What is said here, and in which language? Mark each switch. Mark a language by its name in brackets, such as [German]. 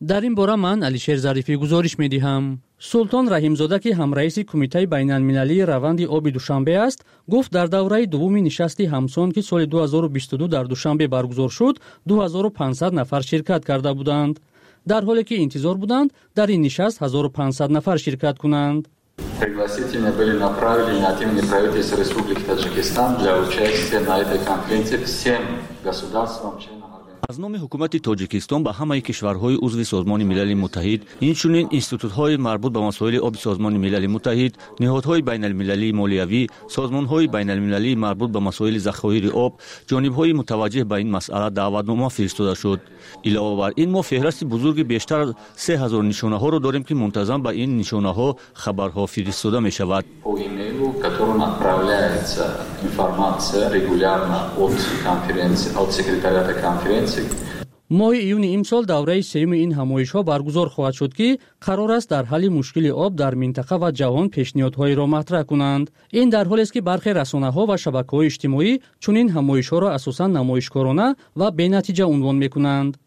[Persian] در این باره من علیشر ظریفی گزارش می دهم. سلطان رحیمزاده که هم رئیس کمیته بین‌المللی روند آب دوشنبه است گفت در دوره دوم نشست همسان که سال 2022 در دوشنبه برگزار شد 2500 نفر شرکت کرده بودند، در حالی که انتظار بودند در این نشست 1500 نفر شرکت کنند. [Russian] Пригласительные были направлены от имени правительства Республики Таджикистан для участия на этой конференции всем государствам членам. [Persian] از نام حکومت تاجیکستان به همه کشورهای عضو سازمان ملل متحد، اینچنین اینستیتوت‌های مربوط به مسائل آب سازمان ملل متحد، نهادهای بین‌المللی مالیوی، سازمان‌های بین‌المللی مربوط به مسائل ذخایر آب، جانب‌های متوجه به این مسئله دعوت‌نامه فرستاده شد. علاوه بر این ما فهرست بزرگ بیشتر از 3000 نشانه‌ها را داریم که منتظم به این نشانه‌ها خبرها فرستاده می‌شود. [Russian] которым отправляется информация регулярно от конференции, от секретариата конференции. [Persian] ماه ایون امسال دوره سوم این همایش‌ها برگزار خواهد شد که قرار است در حل مشکل آب در منطقه و جهان پیشنهادهایی را مطرح کنند. این در حالی است که برخی رسانه‌ها و شبکه‌های اجتماعی چنین همایش‌ها را اساساً نمایشکارانه و بی‌نتیجه عنوان می‌کنند.